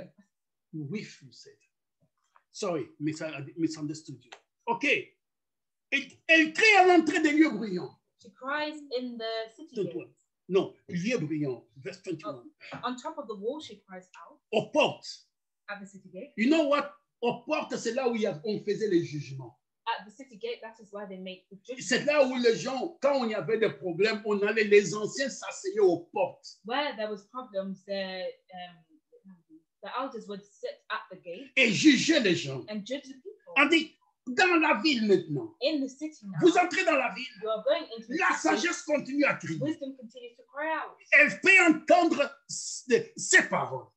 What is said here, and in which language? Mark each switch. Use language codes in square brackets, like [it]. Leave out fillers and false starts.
[en] Eh? With, you said. Sorry, misunderstood you. Okay. [fr] Elle crie à l'entrée des lieux bruyants. [en] She cries in the city. [fr] Non, lieu bruyant, [en] verse 21. On top of the wall, she cries out. [fr] Aux portes. [en] At the city gate. You know what? [fr] Aux portes, c'est là où on faisait les jugements. [en] At the city gate, that is where they make the judgment. [fr] C'est là où les gens, quand il y avait des problèmes, on allait les anciens s'asseoir aux portes. [en] Where there was problems, the elders would sit at the gate. [fr] Et juger les gens. [en] And judge the people. [fr] On dit, dans la ville maintenant. [en] In the city now, [fr] vous entrez dans la ville. [en] You are going into the [fr] la [en] city. [fr] Sagesse continue à crier. [en] Wisdom continues to cry out. [fr] Elle peut entendre ses paroles.